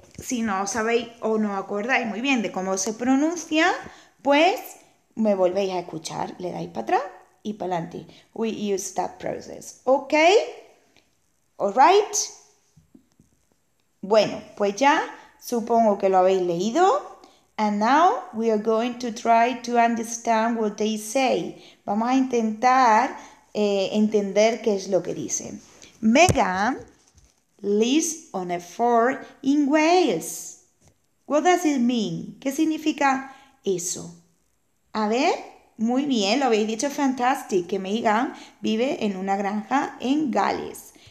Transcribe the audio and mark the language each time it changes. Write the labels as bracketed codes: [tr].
[es] Si no sabéis o no acordáis muy bien de cómo se pronuncia, pues me volvéis a escuchar, le dais para atrás y para adelante. [en] We use that process. ¿Ok? Alright. [es] Bueno, pues ya supongo que lo habéis leído. [en] And now we are going to try to understand what they say. [es] Vamos a intentar entender qué es lo que dicen. [en] Megan lives on a farm in Wales. What does it mean? [es] ¿Qué significa eso? A ver, muy bien, lo habéis dicho fantastic, que Megan vive en una granja en Gales.